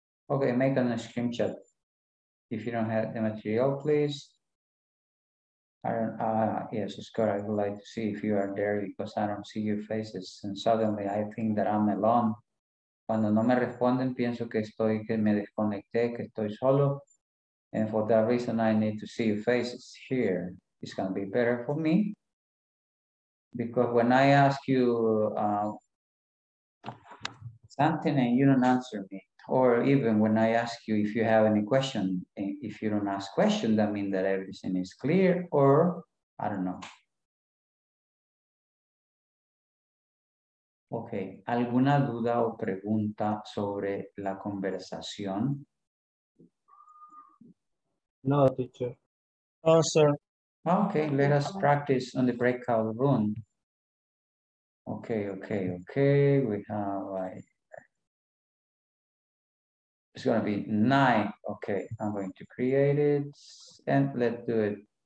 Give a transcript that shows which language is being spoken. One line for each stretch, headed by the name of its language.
English: Okay, make a screenshot. If you don't have the material, please. Yes, Scott, I would like to see if you are there because I don't see your faces. And suddenly I think that I'm alone.
Spanish: Cuando no me responden, pienso que me desconecté, que estoy solo.
English: And for that reason, I need to see your faces here. It's going to be better for me. Because when I ask you something and you don't answer me, or even when I ask you if you have any question, if you don't ask questions, that means that everything is clear, or I don't know.
Spanish: Okay, ¿alguna duda o pregunta sobre la conversación?
English: No, teacher. No, sir. Okay, let us practice on the breakout room. Okay. We have it's gonna be 9. Okay, I'm going to create it and let's do it.